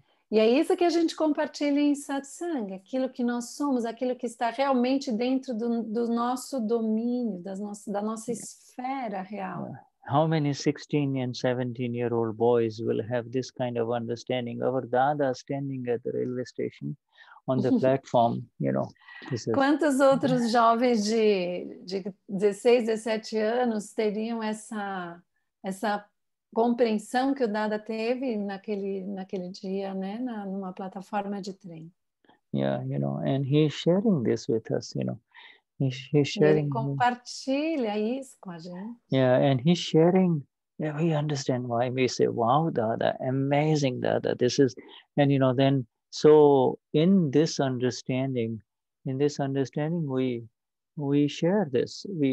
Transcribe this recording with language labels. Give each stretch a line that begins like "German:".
Portuguese: E é isso que a gente compartilha em satsang, aquilo que nós somos, aquilo que está realmente dentro do nosso domínio, da nossa esfera real.
English: How many 16 and 17 year old boys will have this kind of understanding? Our Dada standing at the railway station on the platform, you know. This is...
Portuguese: Quantos outros jovens de 16, 17 anos teriam essa compreensão que o Dada teve naquele dia, né, numa plataforma de trem?
English: Yeah, you know, and he's sharing this with us, you know. He's sharing.
Portuguese: Ele compartilha isso com a gente.
English: Yeah, and he's sharing. Yeah, we understand why we say, wow, Dada, amazing, Dada, this is, and you know, then, so in this understanding, we share this.